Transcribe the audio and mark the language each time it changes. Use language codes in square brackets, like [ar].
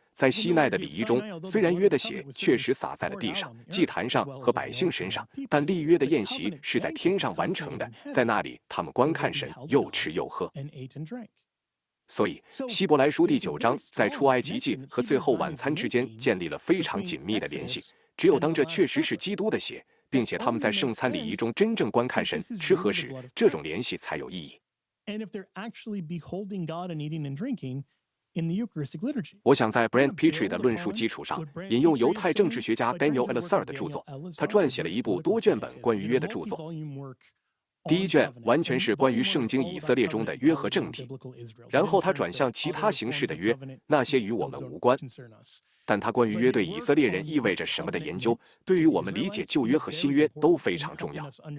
[zh] 在西奈的礼仪中，虽然约的血确实洒在了地上、祭坛上和百姓身上，但立约的宴席是在天上完成的，在那里他们观看神，又吃又喝。所以希伯来书第九章在出埃及记和最后晚餐之间建立了非常紧密的联系。只有当这确实是基督的血，并且他们在圣餐礼仪中真正观看神吃喝时，这种联系才有意义。 [en] And if they're actually beholding God and eating and drinking in the Eucharistic liturgy. [zh] 我想在 Brand Petrie 的论述基础上引用犹太政治学家 Daniel Ellisar 的著作。他撰写了一部多卷本关于约的著作。第一卷完全是关于圣经以色列中的约和政体，然后他转向其他形式的约，那些与我们无关。但他关于约对以色列人意味着什么的研究，对于我们理解旧约和新约都非常重要。